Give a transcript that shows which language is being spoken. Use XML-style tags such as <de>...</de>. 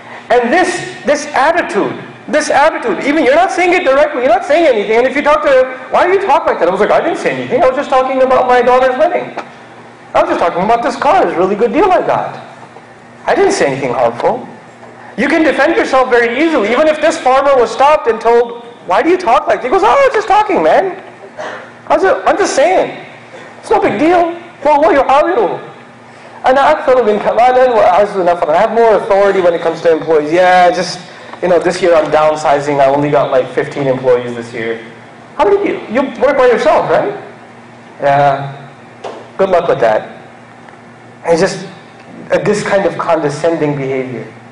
<en>And this attitude, even you're not saying it directly, you're not saying anything. And if you talk to her, why do you talk like that? I was like, I didn't say anything. I was just talking about my daughter's wedding. I was just talking about this car, it's a really good deal I got. I didn't say anything harmful. You can defend yourself very easily. Even if this farmer was stopped and told, why do you talk like that? He goes, oh, I was just talking, man. I'm just saying. It's no big deal. Well, you're</en> <ar>أَنَا أَكْثَرُ مِنْ كَمَالًا وَأَعَزُّ نَفَرًا.</ar> <en>I have more authority when it comes to employees. Yeah, just, you know, this year I'm downsizing. I only got like 15 employees this year. How many of you? You work by yourself, right? Yeah. Good luck with that. And it's just this kind of condescending behavior.</en>